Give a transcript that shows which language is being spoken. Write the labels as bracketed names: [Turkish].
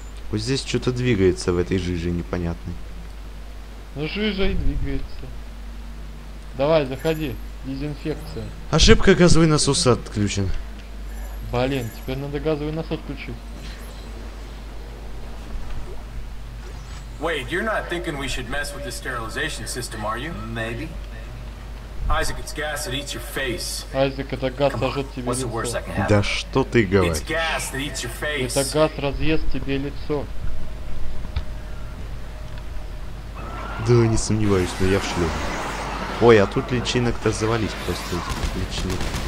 [Russian] Вот здесь что-то двигается в этой жиже непонятной. Ну жижа и двигается. Давай, заходи. Дезинфекция. Ошибка, газовый насос отключен. Блин, теперь надо газовый насос включить. [English] Wait, you're not thinking we should mess with the sterilization system, are you? Maybe. Isaac, it's gas that eats your face. [Russian] Isaac, это газ сожжет тебе лицо. Да что ты говоришь? [English] It's gas that eats your face. [Russian] Это газ разъест тебе лицо. Да не сомневаюсь, но я в шлю. Ой, а тут личинок-то завались просто. Личинок.